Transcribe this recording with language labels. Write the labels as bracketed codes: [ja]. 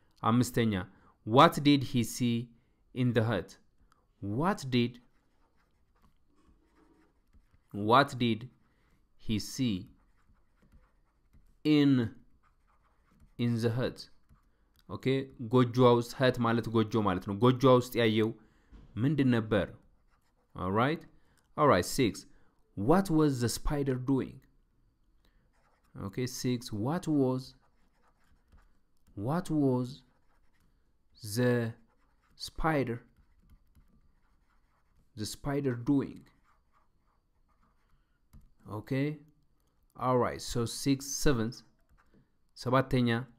[en] አምስተኛ What did he see in the hut? [am] ኦኬ ጎጆውስ ሀት ማለት ጎጆ ማለት ነው። ጎጆውስ ያየው ምንድን ነበር? [en] All right. 6. What was the spider doing? Okay. All right. So 6, 7. ሰባተኛ